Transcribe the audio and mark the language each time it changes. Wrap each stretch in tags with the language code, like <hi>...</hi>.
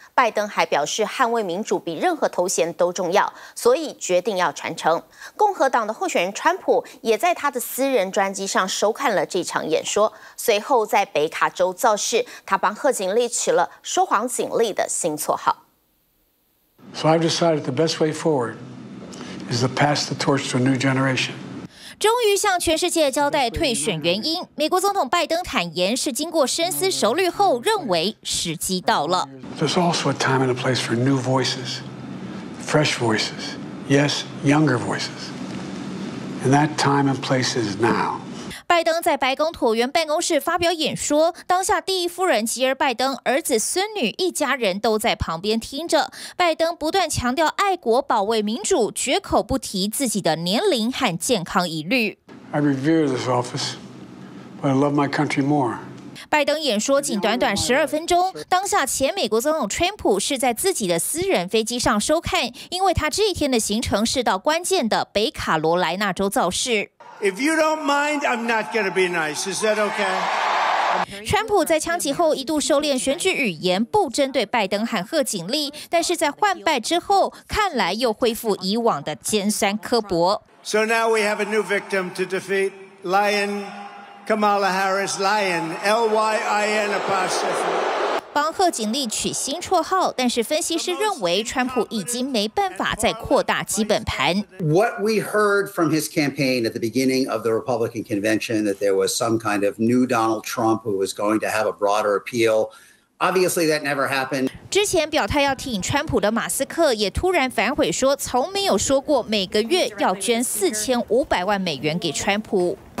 <zh>拜登还表示捍卫民主比任何头衔都重要，所以决定要传承。共和党的候选人川普也在他的私人专机上收看了这场演说，随后在北卡州造势，他帮贺锦丽取了说谎锦丽的新绰号。</zh> <en>So I've decided the best way forward is to pass the torch to a new generation.</en> <zh>终于向全世界交代退选原因。美国总统拜登坦言是经过深思熟虑后，认为时机到了。</zh> <en>There's also a time and a place for new voices, fresh voices, yes, younger voices, and that time and place is now.</en> <zh>拜登在白宫椭圆办公室发表演说，当下第一夫人吉尔拜登儿子孙女一家人都在旁边听着。拜登不断强调爱国保卫民主，绝口不提自己的年龄和健康疑虑。</zh> <en>I revere this office, but I love my country more.</en> <zh>拜登演说仅短短12分钟，当下前美国总统川普是在自己的私人飞机上收看，因为他这一天的行程是到关键的北卡罗来纳州造势。</zh> <en>If you don't mind, I'm not going to be nice. Is that okay?</en> <zh>川普在枪击后一度收敛选举语言，不针对拜登和贺锦丽，但是在换拜之后，看来又恢复以往的尖酸刻薄。</zh> <en>So now we have a new victim to defeat, Lion. Kamala Harris, Lion, L-Y-I-N apostrophe.</en> <zh>帮贺锦丽取新绰号，但是分析师认为，川普已经没办法再扩大基本盘。</zh> <en>What we heard from his campaign at the beginning of the Republican convention that there was some kind of new Donald Trump who was going to have a broader appeal. Obviously, that never happened.</en> <zh>之前表态要挺川普的马斯克也突然反悔说，从没有说过每个月要捐4500万美元给川普。</zh>